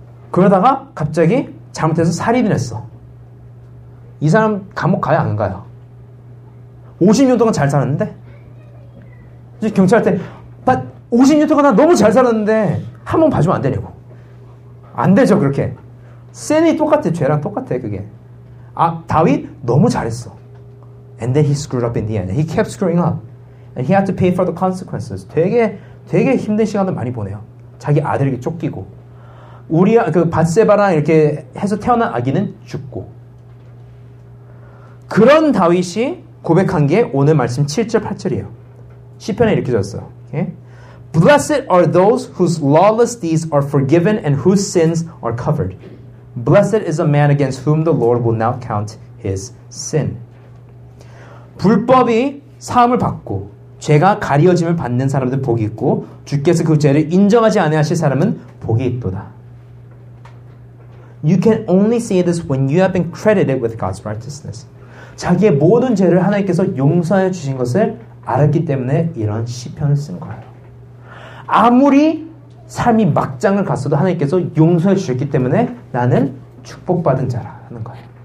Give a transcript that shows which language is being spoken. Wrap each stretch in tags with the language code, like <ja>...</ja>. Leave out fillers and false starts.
<ko>그러다가 갑자기 잘못해서 살인을 했어. 이 사람 감옥 가요, 안 가요? 50년 동안 잘 살았는데? 경찰한테, 50년 동안 나 너무 잘 살았는데, 한번 봐주면 안 되냐고. 안 되죠, 그렇게. 센이 똑같아, 죄랑 똑같아, 그게. 아, 다윗? 너무 잘했어.</ko> <en>And then he screwed up in the end. He kept screwing up. And he had to pay for the consequences.</en> <ko>되게 힘든 시간을 많이 보내요. 자기 아들에게 쫓기고. 우리, 그, 밧세바랑 이렇게 해서 태어난 아기는 죽고. 그런 다윗이 고백한 게 오늘 말씀 7절, 8절이에요. 시편에 이렇게 썼어요. Okay?</ko> <en>Blessed are those whose lawless deeds are forgiven and whose sins are covered. Blessed is a man against whom the Lord will not count his sin.</en> <ko>불법이 사함을 받고 죄가 가려짐을 받는 사람들은 복이 있고 주께서 그 죄를 인정하지 아니하실 사람은 복이 있도다.</ko> <en>You can only say this when you have been credited with God's righteousness.</en> <ko>자기의 모든 죄를 하나님께서 용서해 주신 것을 알았기 때문에 이런 시편을 쓴 거예요. 아무리 삶이 막장을 갔어도 하나님께서 용서해 주셨기 때문에 나는 축복받은 자라 하는 거예요.</ko>